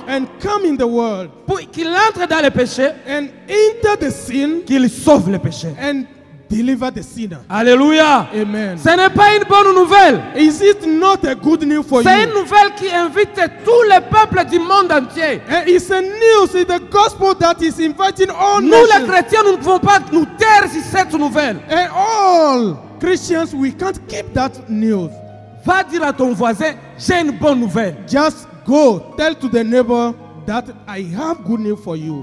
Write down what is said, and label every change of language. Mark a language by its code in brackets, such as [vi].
[en] and come in the world. [fr] Pour qu'il entre dans le péché [en] and enter the sin. [fr] Qu'il sauve le péché [en] and deliver the sinner. Alléluia. Amen. [fr] Ce n'est pas une bonne nouvelle. [en] Is it not a good news for [fr] C'est C'est une nouvelle qui invite tous les peuples du monde entier. [en] And it's a news, it's a gospel that is inviting all [fr] nous, [en] nations. [fr] Nous les chrétiens, nous ne pouvons pas nous taire sur cette nouvelle. [en] And all Christians, we can't keep that news. [fr] Va dire à ton voisin, j'ai une bonne nouvelle. [en] Just go, tell to the neighbor that I have good news for you.